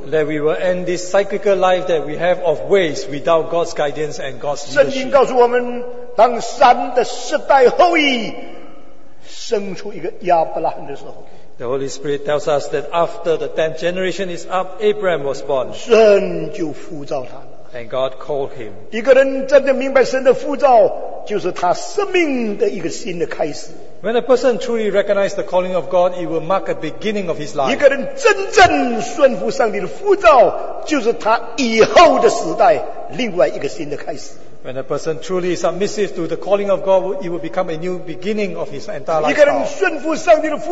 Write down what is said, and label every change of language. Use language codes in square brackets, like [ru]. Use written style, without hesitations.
[en] that we will end this cyclical life that we have of ways without God's guidance and God's leadership. [zh] 圣经告诉我们当三的世代后裔生出一个亚伯拉罕的时候, [en] the Holy Spirit tells us that after the 10th generation is up, Abraham was born. [zh] 神就呼召他, [en] and God called him. [zh] 一个人真的明白神的呼召就是他生命的一个新的开始, [en] when a person truly recognizes the calling of God, it will mark a beginning of his life. [zh] 一个人真正顺服上帝的呼召就是他以后的时代另外一个新的开始, [en] when a person truly is submissive to the calling of God, it will become a new beginning of his entire life.